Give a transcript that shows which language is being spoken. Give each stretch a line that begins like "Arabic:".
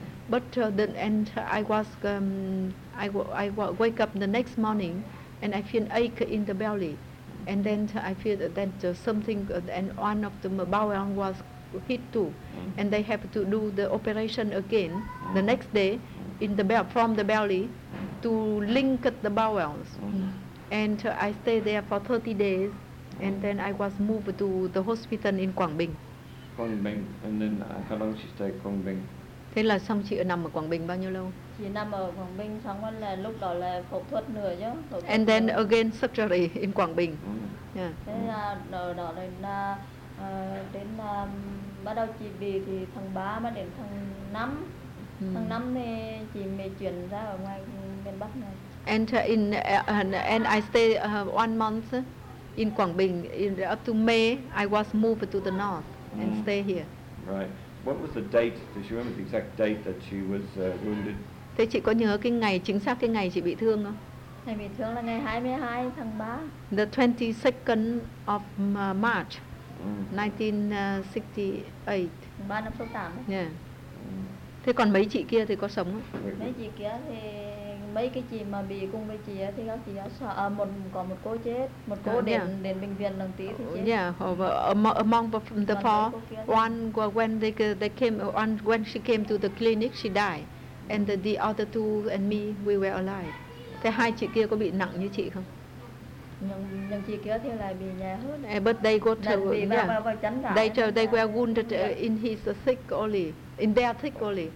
English: but then and I wake up the next morning and I feel ache in the belly, and then I feel that something and one of the bowel was hit too, and they have to do the operation again the next day in the from the belly to link the bowels. And I stayed there for 30 days, and then I was moved to the hospital in Quảng Bình. Quảng Bình, and then how long she stayed Quảng Bình?
Vietnamese: Thế là xong chị ở nằm ở Quảng Bình bao nhiêu lâu? Chị nằm ở Quảng Bình xong là lúc đó là phẫu thuật nữa chứ.
English: And then again surgery in Quảng Bình. Yeah.
Vietnamese: Thế là đó là đến bắt đầu chị bị thì tháng 3 mà đến tháng 5. Tháng 5 thì chị mới chuyển ra ở ngoài miền Bắc này.
English: And in and I stay 1 month in Quảng Bình, in up to May I was moved to the north and stay here. Right. What was the date? Does she remember the exact date that she was wounded?
Vietnamese: Thế chị có nhớ cái ngày chính xác cái ngày chị bị thương không? Ngày bị thương là ngày 22 tháng 3.
English: The 22nd of March. 1968. 1968.
Vietnamese: Yeah. Thế còn mấy chị kia thì có sống không? Mấy chị kia thì mấy cái chị mà bị cùng với chị thì các chị sợ một cô chết, một cô đến bệnh viện lần tí thì chết.
English: Yeah, among the four, when she came to the clinic she died, and the other two and me we were alive.
Vietnamese: Thế hai chị kia có bị nặng như chị không? Nhưng chị kia thì lại bị nhẹ hơn.
English: But they got to, they were wounded in his thick only, in their thick only.